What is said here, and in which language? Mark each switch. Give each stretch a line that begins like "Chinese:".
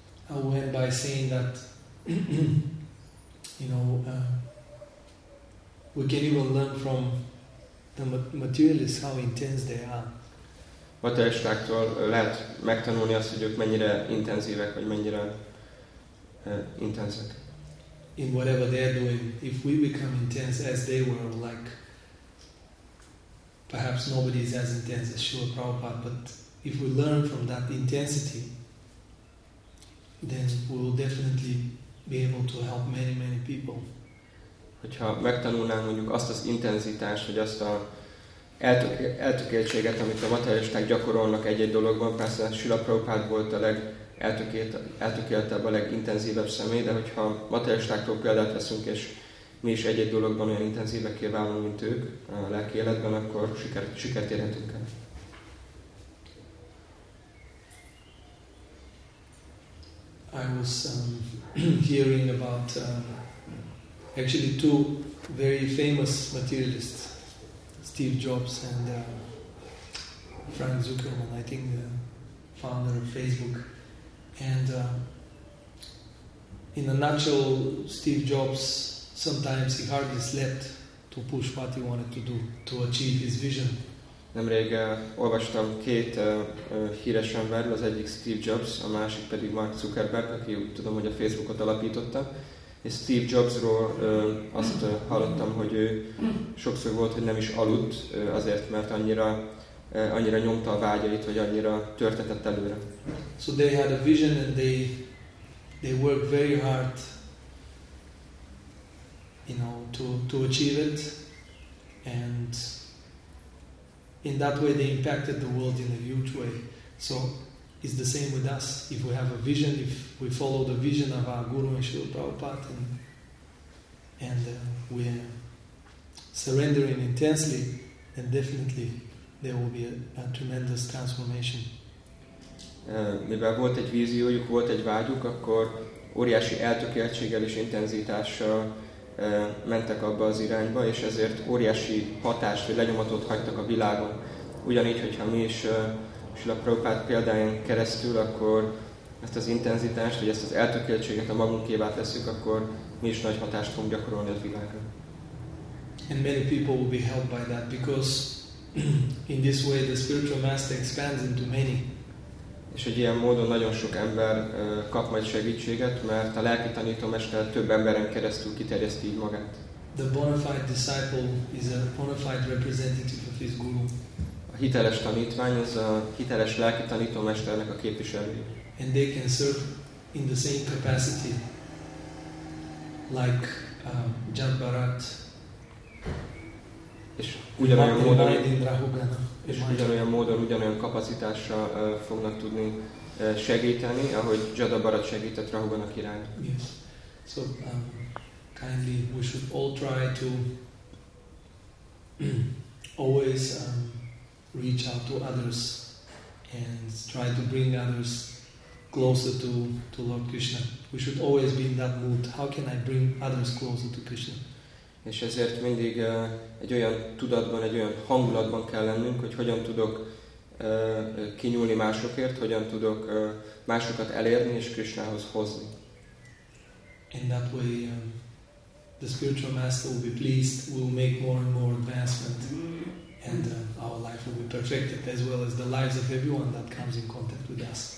English: I went by saying that, you know, we can even learn from the materialists how intense they are.
Hungarian: Materialistáktól lehet megtanulni azt, hogy ők mennyire intenzívek, vagy mennyire intenzek.
English: In whatever they are doing, if we become intense as they were, like, perhaps nobody is as intense as Srila Prabhupada, but if we learn from that intensity, then we will definitely be able to help many, many people.
Hungarian: Hogyha megtanulnánk mondjuk azt az intenzitást, vagy azt a eltökéltséget, amit a materialisták gyakorolnak egy-egy dologban, persze Srila Prabhupada volt a legeltökéltebb, a legintenzívebb személy, de hogyha materialistáktól példát veszünk, és mi is egy-egy dologban olyan intenzívekké válunk, mint ők a lelki életben, akkor sikert érhetünk el.
English: I was hearing about actually two very famous materialists, Steve Jobs and Frank Zuckerman, I think the founder of Facebook. And in a nutshell, Steve Jobs, sometimes he hardly slept to push what he wanted to do to achieve his vision.
Hungarian: Nemrég olvastam két híres emberről, az egyik Steve Jobs, a másik pedig Mark Zuckerberg, aki tudom, hogy a Facebookot alapította. És Steve Jobsról azt hallottam, hogy ő sokszor volt, hogy nem is aludt, azért, mert annyira nyomta a vágyait, vagy annyira törtetett előre.
English: So they had a vision and they worked very hard, you know, to achieve it, and in that way they impacted the world in a huge way. So it's the same with us. If we have a vision, if we follow the vision of our Guru and Srila Prabhupada, and we are surrendering intensely, then definitely there will be a tremendous transformation.
Hungarian: Mivel volt egy víziójuk, volt egy vágyuk, akkor óriási eltökéltséggel és intenzitással mentek abba az irányba, és ezért óriási hatást, vagy lenyomatot hagytak a világon. Ugyanígy, hogyha mi is Srila Prabhupada példáján keresztül, akkor ezt az intenzitást, vagy ezt az eltökéltséget a magunkévá tesszük, akkor mi is nagy hatást fogunk gyakorolni a világra.
English: And many people will be helped by that, because in this way the spiritual master expands into many.
Hungarian: És egy ilyen módon nagyon sok ember kap majd segítséget, mert a lelki tanítómester több emberen keresztül kiterjeszti így magát.
English: The bona fide disciple is a bona fide representative of his guru.
Hungarian: A hiteles tanítvány az a hiteles lelki tanítómesternek a képviselője.
English: And they can serve in the same capacity, like Jad Bharat.
Hungarian: És ugyanolyan módon, ugyanolyan kapacitással fognak tudni segíteni, ahogy Jad Bharat segített Rahugana királyt.
English: Yes. So, kindly, we should all try to always reach out to others and try to bring others closer to Lord Krishna. We should always be in that mood. How can I bring others closer to Krishna?
Hungarian: És ezért mindig egy olyan tudatban, egy olyan hangulatban kell lennünk, hogy hogyan tudok kinyúlni másokért, hogyan tudok másokat elérni és Krishnához hozni.
English: In that way, the spiritual master will be pleased, will make more and more advancement, and our life will be perfected, as well as the lives of everyone that comes in contact with us.